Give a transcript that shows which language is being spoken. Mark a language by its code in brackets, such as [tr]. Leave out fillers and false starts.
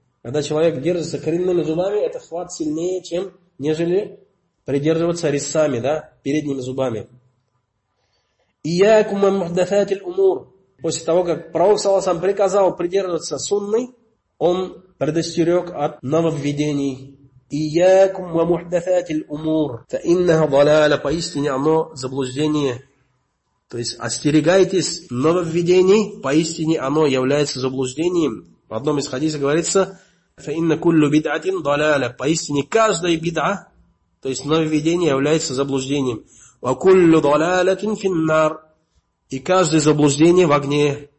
[ru] Когда человек держится коренными зубами, это хват сильнее, чем нежели придерживаться резцами, да, передними зубами. [ar] Ияку ма мухдафатиль умур. [ru] После того, как пророк, саллаллаху алейхи ва саллям, приказал придерживаться сунны, он предостерег от нововведений. [ar] إياكم ومحدثات الأمور فإنها ضلالة [ru] поистине оно заблуждение. То есть остерегайтесь нововведений, поистине оно является заблуждением. В одном из хадисов говорится [ar] فإن كل بدعة ضلالة, [ru] поистине каждая бид'а, то есть нововведение, является заблуждением. [ar] وكل ضلالة في النار, [ru] и каждое заблуждение в огне.